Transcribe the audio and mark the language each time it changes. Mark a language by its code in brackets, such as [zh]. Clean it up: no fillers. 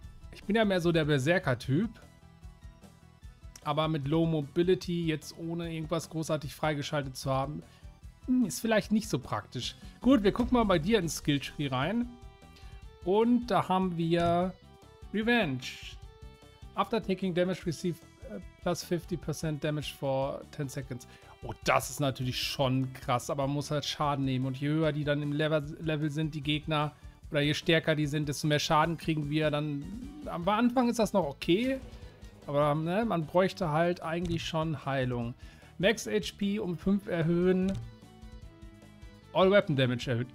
[de] Ich bin ja mehr so der Berserker-Typ. Aber mit Low Mobility, jetzt ohne irgendwas großartig freigeschaltet zu haben, ist vielleicht nicht so praktisch. Gut, wir gucken mal bei dir ins Skilltree rein. Und da haben wir Revenge. [en] After taking damage, receive plus 50% damage for 10 seconds. [de] Oh, das ist natürlich schon krass, aber man muss halt Schaden nehmen. Und je höher die dann im Level sind, die Gegner, oder je stärker die sind, desto mehr Schaden kriegen wir. Dann am Anfang ist das noch okay. Aber ne, man bräuchte halt eigentlich schon Heilung. Max HP um 5 erhöhen. All Weapon Damage erhöht.